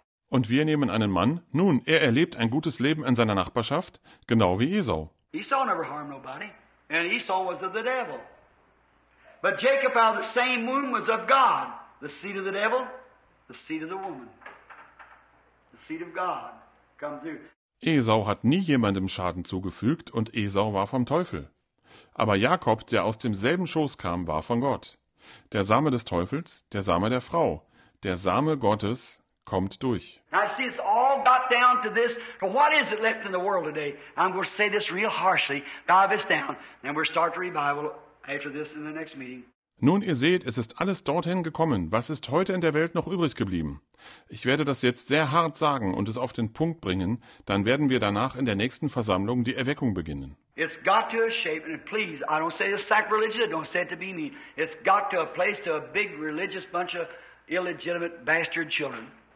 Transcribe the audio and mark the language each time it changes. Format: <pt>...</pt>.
<de>Und wir nehmen einen Mann, nun, er erlebt ein gutes Leben in seiner Nachbarschaft, genau wie Esau.</de> <en>Esau never harmed nobody, and Esau was of the devil. But Jacob out of the same womb was of God, the seed of the devil, the seed of the woman. The seed of God comes through.</en> <de>Esau hat nie jemandem Schaden zugefügt und Esau war vom Teufel. Aber Jakob, der aus demselben Schoß kam, war von Gott. Der Same des Teufels, der Same der Frau, der Same Gottes kommt durch.</de> <en>Now see, it's all got down to this. But what is it left in the world today? I'm going to say this real harshly. Dive this down. Then we'll start the revival after this in the next meeting.</en> <de>Nun, ihr seht, es ist alles dorthin gekommen. Was ist heute in der Welt noch übrig geblieben? Ich werde das jetzt sehr hart sagen und es auf den Punkt bringen. Dann werden wir danach in der nächsten Versammlung die Erweckung beginnen.</de> <en>It's got to a shape, and please, I don't say it's sacrilegious, I don't say it to be mean. It's got to a place to a big religious bunch of illegitimate bastard children.</en>